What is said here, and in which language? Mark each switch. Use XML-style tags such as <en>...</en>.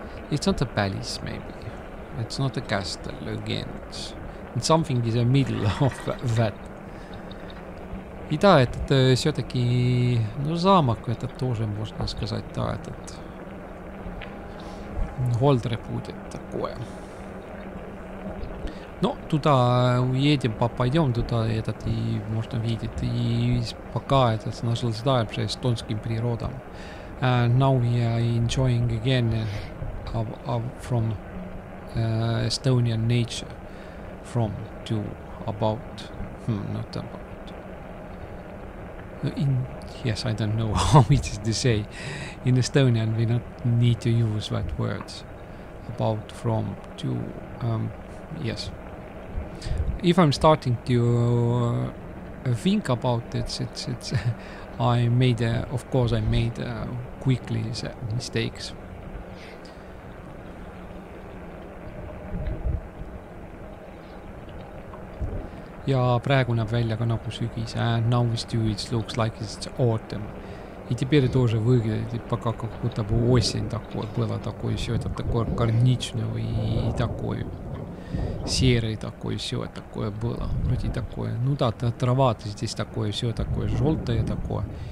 <en>It's not a palace maybe, it's not a castle again, it's something in the middle of that.</en> <ru>И да, этот все-таки, ну, замок этот тоже можно сказать, да, этот Голдре будет такое. Но туда уедем, попадем туда, этот, и можно видеть, и пока этот наслаждаемся эстонским природом.</ru> <en>Now we are enjoying again from Estonian nature, from to about, not about. In, yes, I don't know how it is to say. In Estonian, we don't need to use that word. About, from, to, yes. If I'm starting to think about it, it's I made, of course, I made quickly mistakes.</en> <et>Ja praegu näeb välja ka nagu sügis.</et> <en>And now we do, it looks like it's autumn.</en> <ru>И теперь тоже выглядит, пока как будто бы осень такой, было такой, все это такое горничное и такое серое такое, все такое было. Вроде такое, ну да, трава здесь такое, все такое желтое такое.</ru>